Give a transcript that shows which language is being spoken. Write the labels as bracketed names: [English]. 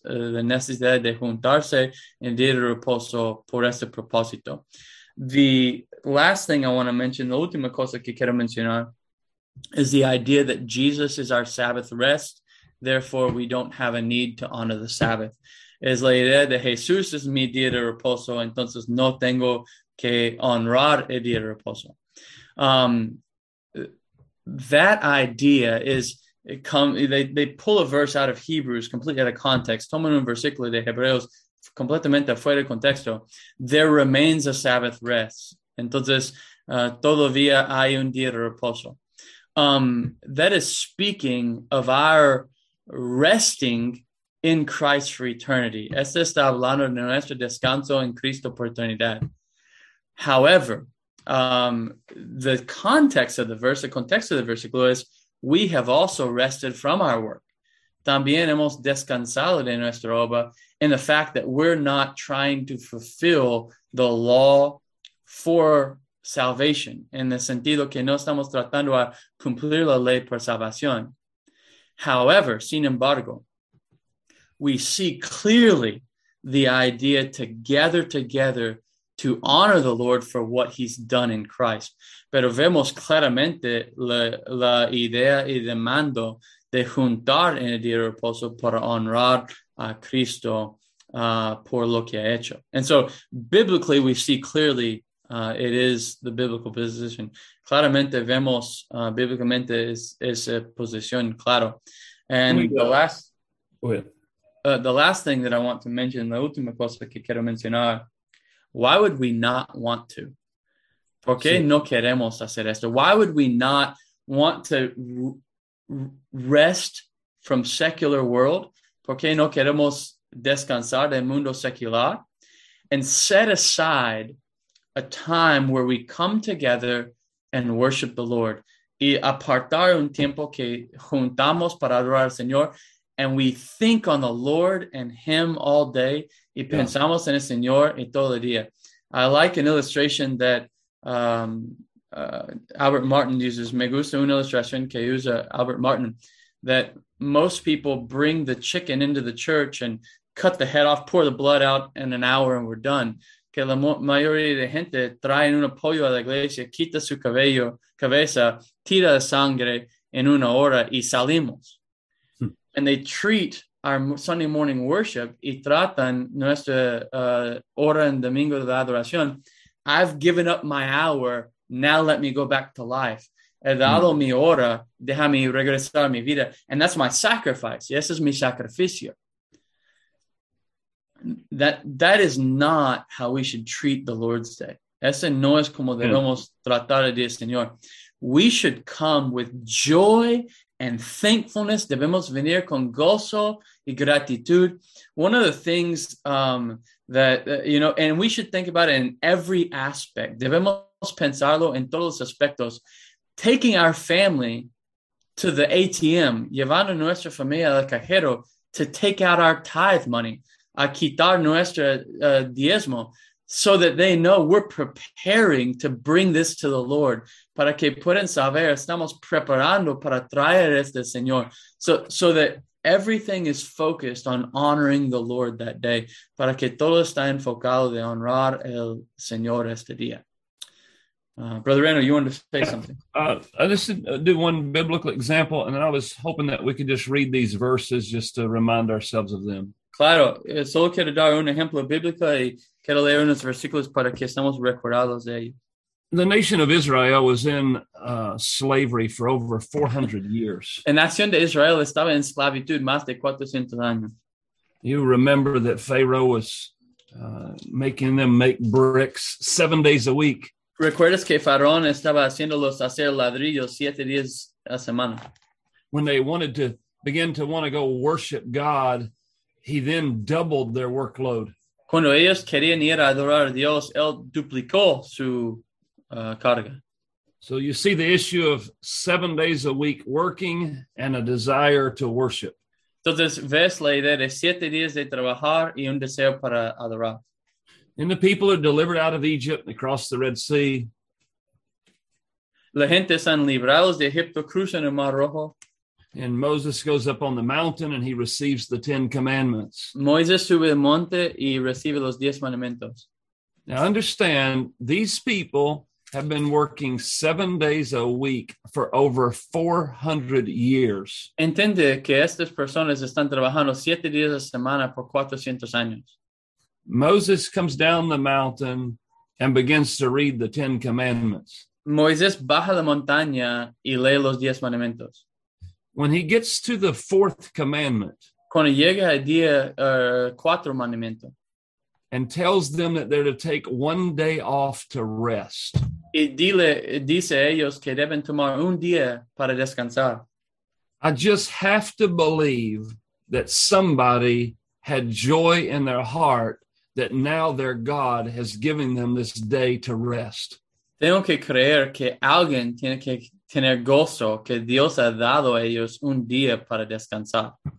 [Spanish] The necesidad de juntarse en día de reposo por ese propósito. [English] The last thing I want to mention, [Spanish] la última cosa que quiero mencionar, [English] is the idea that Jesus is our Sabbath rest. Therefore, we don't have a need to honor the Sabbath. [Spanish] Es la idea de Jesús es mi día de reposo, entonces no tengo que honrar el día de reposo. [English] That idea is, they pull a verse out of Hebrews completely out of context. [Spanish] Toman un versículo de Hebreos completamente fuera de contexto. [English] There remains a Sabbath rest. [Spanish] Entonces, todavía hay un día de reposo. [English] That is speaking of our resting in Christ for eternity. [Spanish] Este está hablando de nuestro descanso en Cristo por eternidad. [English] However, the context of the verse, the context of the versículo is, we have also rested from our work. [Spanish] también hemos descansado de nuestra obra [English] in the fact that we're not trying to fulfill the law for salvation, [Spanish] en el sentido que no estamos tratando a cumplir la ley por salvación. [English] However, [Spanish] sin embargo, [English] we see clearly the idea to gather together to honor the Lord for what he's done in Christ. [Spanish] Pero vemos claramente la idea y demando de juntar en el día de reposo para honrar a Cristo por lo que ha hecho. [English] And so, biblically, we see clearly it is the biblical position. [Spanish] Claramente vemos, bíblicamente, es esa posición, claro. [English] And the last thing that I want to mention, [Spanish] la última cosa que quiero mencionar, [English] why would we not want to? [Spanish] ¿Por qué no queremos hacer esto? [English] Why would we not want to rest from secular world? [Spanish] ¿Por qué no queremos descansar del mundo secular? [English] And set aside a time where we come together and worship the Lord. [Spanish] Y apartar un tiempo que juntamos para adorar al Señor. [English] And we think on the Lord and him all day. [Spanish] Y pensamos en el Señor y todo el día. [English] I like an illustration that Albert Martin uses. [Spanish] Me gusta una ilustración que usa Albert Martin. [English] That most people bring the chicken into the church and cut the head off, pour the blood out in an hour and we're done. [Spanish] Que la mayoría de gente traen un pollo a la iglesia, quita su cabeza, tira la sangre en una hora y salimos. [English] And they treat our Sunday morning worship [Spanish] y tratan nuestra hora en domingo de adoración. [English] I've given up my hour, now let me go back to life. [Spanish] He dado mi hora, déjame regresar a mi vida. [English] And that's my sacrifice. [Spanish] Y ese es mi sacrificio. [English] That is not how we should treat the Lord's Day. [Spanish] Ese no es como debemos tratar el día, Señor. [English] We should come with joy and thankfulness. [Spanish] Debemos venir con gozo y gratitud. [English] One of the things and we should think about it in every aspect. [Spanish] Debemos pensarlo en todos los aspectos. [English] Taking our family to the ATM, [Spanish] llevando nuestra familia al cajero [English] to take out our tithe money, [Spanish] a quitar nuestro diezmo, [English] so that they know we're preparing to bring this to the Lord. [Spanish] Para que puedan saber, estamos preparando para traer este Señor. [English] So that everything is focused on honoring the Lord that day. [Spanish] Para que todo está enfocado de honrar el Señor este día. [English] Brother Randall, you wanted to say something? I just did one biblical example, and then I was hoping that we could just read these verses just to remind ourselves of them. [Spanish] Claro, solo quiero dar un ejemplo bíblico y quiero leer unos versículos para que estemos recordados de ello. [English] The nation of Israel was in slavery for over 400 years. [Spanish] La nación de Israel estaba en esclavitud más de 400 años. [English] You remember that Pharaoh was making them make bricks 7 days a week. [Spanish] ¿Recuerdas que Faraón estaba haciéndolos hacer ladrillos 7 días a semana? [English] When they wanted to go worship God, he then doubled their workload. [Spanish] Cuando ellos querían ir a adorar a Dios, él duplicó su carga. [English] So you see the issue of 7 days a week working and a desire to worship. [Spanish] Entonces ves la idea de 7 días de trabajar y un deseo para adorar. [English] And the people are delivered out of Egypt and across the Red Sea. [Spanish] La gente están librados de Egipto cruzan el Mar Rojo. [English] And Moses goes up on the mountain and he receives the Ten Commandments. [Spanish] Moisés sube al monte y recibe los diez mandamientos. [English] Now understand, these people have been working 7 days a week for over 400 years. [Spanish] Entiende que estas personas están trabajando 7 días a semana por 400 años. [English] Moses comes down the mountain and begins to read the Ten Commandments. [Spanish] Moisés baja la montaña y lee los diez mandamientos. [English] When he gets to the fourth commandment, [Spanish] cuando llega al día, cuatro mandamiento, [English] and tells them that they're to take 1 day off to rest, [Spanish] y dice ellos que deben tomar un día para descansar. [English] I just have to believe that somebody had joy in their heart that now their God has given them this day to rest. [Spanish] Tengo que creer que alguien tiene que tener gozo que Dios ha dado a ellos un día para descansar.